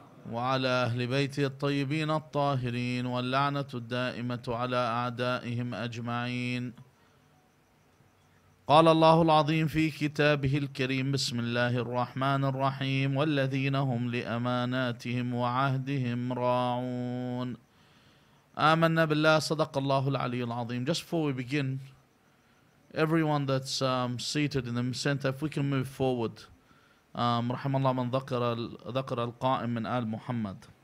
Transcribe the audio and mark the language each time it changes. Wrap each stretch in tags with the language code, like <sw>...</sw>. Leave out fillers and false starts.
<ar>وعلى أهل بيته الطيبين الطاهرين، واللعنة الدائمة على أعدائهم أجمعين. قال الله العظيم في كتابه الكريم، بسم الله الرحمن الرحيم، والذين هم لأماناتهم وعهدهم راعون. آمنا بالله، صدق الله العلي العظيم.</ar> <en>Just before we begin, everyone that's seated in the center, if we can move forward.</en> <ar>رحم الله من ذكر القائم من آل محمد.</ar>